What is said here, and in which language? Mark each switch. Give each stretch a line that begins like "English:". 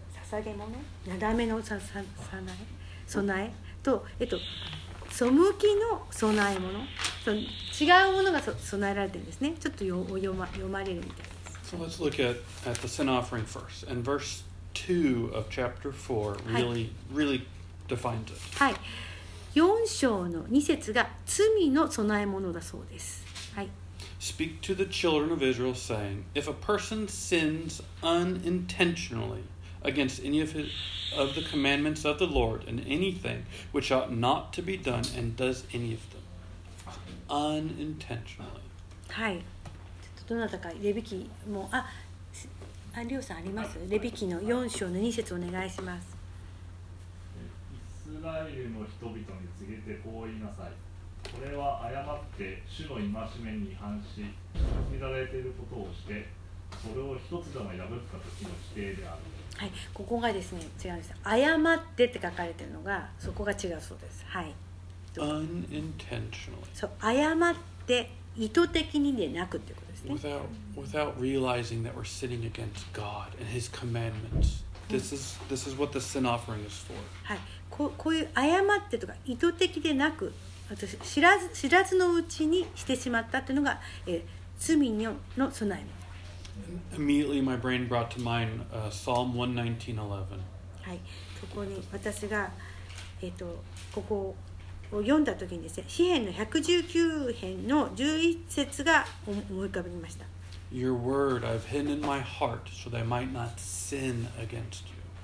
Japanese: 捧げ物、なだめの備えと、背きの備え物、その違うものが備えられてるんですね。ちょっと読まれるみたいです。
English: So let's look at the sin offering first. And verse 2 of chapter 4 really,、はい、really defines it.
Japanese: はい。 4章の2節が罪の備え物だそうです。はい。
English: Speak to the children of Israel, saying, If a person sins unintentionally against any of his, of the commandments of the Lord in anything which ought not to be done and does any of them unintentionally.
Japanese: はい。ちょっとどなたかレビキも、あ、リオさんあります？レビキの4章の2節お願いします。イスラエルの人々に告げてこう言いなさい。これは誤って主の戒めに違反し禁じられていることをしてそれを一つでも破った時の規定である。はい、ここがですね、違うんです。誤ってって書かれているのがそこが違うそうです。はい。
English: Unintentionally。
Japanese: そう、誤って意図的にでなくっていうことですね。
English: Without realizing that we're sinning against God and His commandments, this is what the sin offering is for。
Japanese: はい、こういう誤ってとか意図的でなく。私知らずのうちにしてしまったというのが、罪の備え物。
English: Immediately my brain brought to mind Psalm 119:11.
Japanese: はい、ここに私が、ここを読んだときにですね、詩篇の119編の11節が思い浮かびました。
English: Your word I've hidden in my heart so that I might not sin against you。